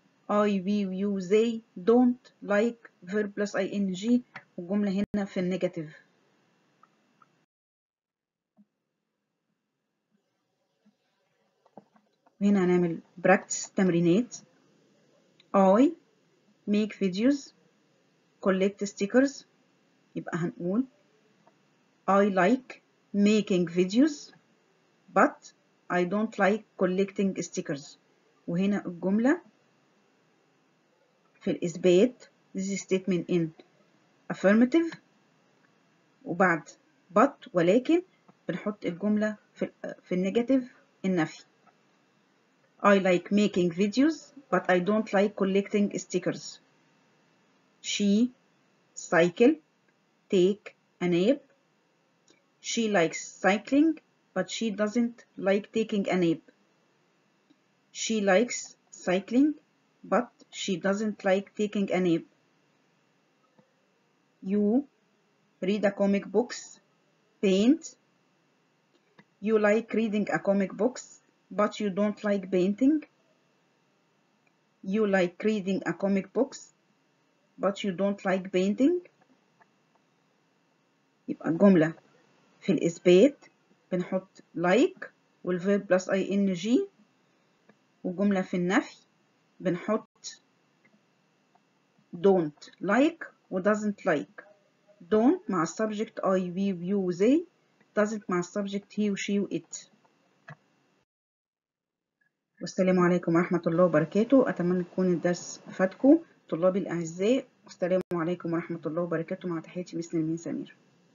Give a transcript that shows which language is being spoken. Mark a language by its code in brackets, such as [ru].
[en] I، we، you، they don't like verb plus ing. [ar] والجملة هنا في النيجاتيف. هنا هنعمل practice تمرينات. [en] I make videos، collect stickers. [ar] يبقى هنقول [en] I like making videos but I don't like collecting stickers. [ar] وهنا الجملة في الإثبات، [en] this statement in affirmative، [ar] وبعد but ولكن بنحط الجملة في النيجاتيف النفي. [en] I like making videos but I don't like collecting stickers. She cycle، take a nap. She likes cycling but she doesn't like taking a nap. She likes cycling but she doesn't like taking a nap. You read a comic books، paint. You like reading a comic books but you don't like painting. You like reading a comic books but you don't like painting. [ar] يبقى الجملة في الإثبات بنحط like وال [en] verb plus ing، [ar] والجملة في النفي بنحط don't like و doesn't like. [en] don't [ar] مع [en] subject I, we, you, they, doesn't مع subject he, she, it. [ar] والسلام عليكم ورحمة الله وبركاته. أتمنى يكون الدرس فاتكم طلابي الأعزاء. والسلام عليكم ورحمة الله وبركاته. مع تحياتي مثل المين سمير.